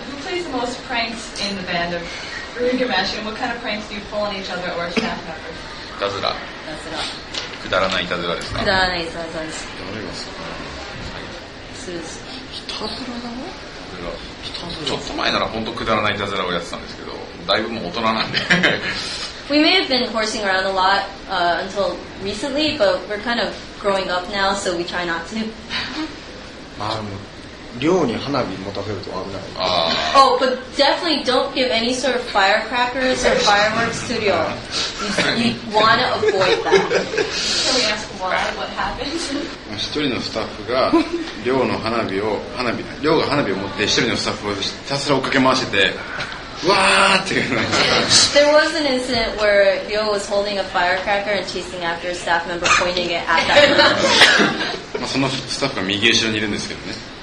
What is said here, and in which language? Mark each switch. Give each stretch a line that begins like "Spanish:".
English: Who plays the most pranks in the band of Gilgamesh? What kind of pranks do you pull on each other or staff members?
Japanese: いたずら。くだらないいたずらですか？くだらないいたずらです。誰がそう？スー。いたずらだな。ちょっと前なら本当くだらないいたずらをやってたんですけど、だいぶもう大人なんで。
English: We may have been horsing around a lot until recently, but we're kind of growing up now, so we try not to.
Japanese: まあ、寮に花火持たせると危ない。ああ。
English: Oh, but definitely don't give any sort of firecrackers or fireworks to the old. You want to avoid that. Can we ask why? What happened?
Japanese: 一人のスタッフが寮の花火を花火寮が花火を持って一人のスタッフをひたすら追っかけ回しててうわーっていうの。
English: There was an incident where Ryo was holding a firecracker and chasing after a staff member pointing it at that.
Japanese: まあそのスタッフが右後ろにいるんですけどね。